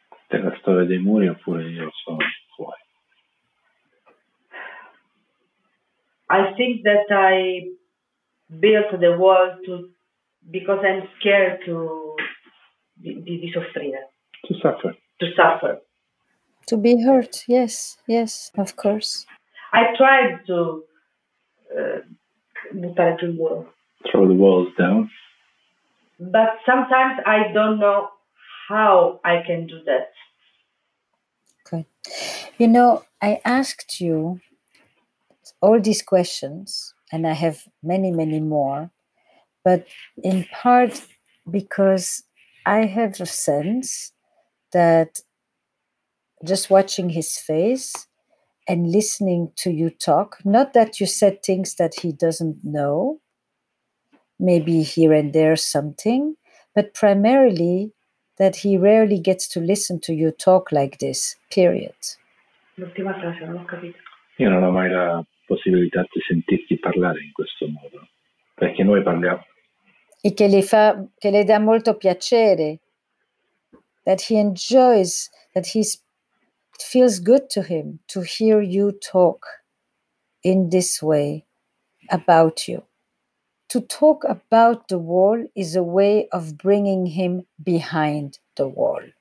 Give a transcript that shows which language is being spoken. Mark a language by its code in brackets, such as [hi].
[it] Della storia dei muri, oppure io sono fuori. [en] I think that I built the wall to because I'm scared to [it] di soffrire. [en] To suffer. To suffer. To be hurt, yes, yes, of course. I tried to [it] buttare giù il muro. [en] Throw the walls down. But sometimes I don't know how I can do that. You know, I asked you all these questions, and I have many, many more, but in part because I have a sense that just watching his face and listening to you talk, not that you said things that he doesn't know, maybe here and there something, but primarily that he rarely gets to listen to you talk like this, period. [it] L'ultima frase, non ho capito. Io non ho mai la possibilità di sentirti parlare in questo modo, perché noi parliamo. E che le fa, che le dà molto piacere, [en] that he enjoys, that he's, it feels good to him to hear you talk in this way about you. To talk about the wall is a way of bringing him behind the wall.